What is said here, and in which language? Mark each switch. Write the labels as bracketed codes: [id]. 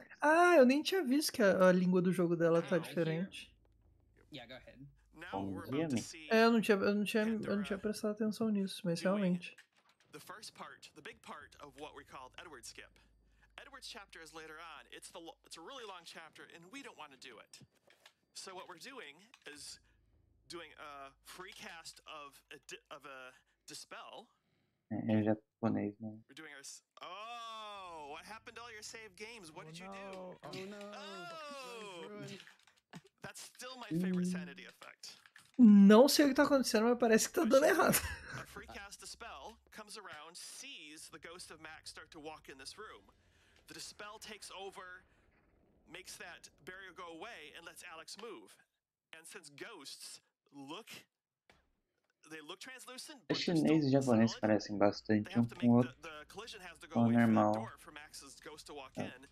[pt] Ah, eu nem tinha visto que a língua do jogo dela tá diferente. Bom dia, man. É, eu não tinha prestado atenção nisso, mas realmente. A primeira parte, a grande parte do que nós chamamos Edward Skip. [en] Edward's chapter is later on. It's a really long chapter, and we don't want to do it. So what we're doing is doing a free cast of a dispel. [pt] É japonês, né? [en] We're doing our what happened to all your saved games? What did you do? Oh no! That's still my favorite sanity effect. [pt] Não sei o que tá acontecendo, mas parece que tá dando errado. [en] A free cast dispel comes around, sees the ghost of Max start to walk in this room. The dispel takes over, makes that barrier go away, and lets Alex move. And since ghosts look, they look translucent, but they're still solid, they have to make the collision has to go away from that door for Max's ghost to walk in.